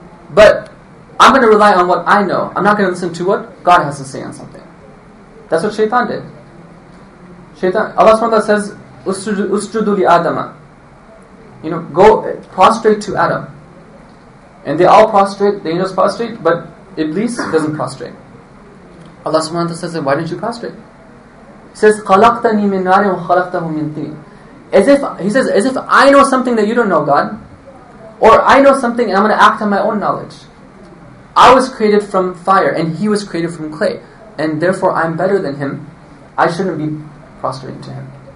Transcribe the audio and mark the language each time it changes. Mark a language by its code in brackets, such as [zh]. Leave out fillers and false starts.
[en] But I'm going to rely on what I know. I'm not going to listen to what God has to say on something. That's what Shaitan did. Shaitan, Allah SWT says, [ar] Usjudu li Adama. [en] You know, go prostrate to Adam. And they all prostrate, the angels prostrate, but Iblis doesn't prostrate. Allah SWT says, why didn't you prostrate? [ar] He says, خَلَقْتَنِي مِن نَارٍ وَخَلَقْتَهُ مِن تِينٍ. [en] As if, he says, as if I know something that you don't know, God. Or I know something and I'm going to act on my own knowledge. I was created from fire and he was created from clay. And therefore I'm better than him. I shouldn't be prostrating to him.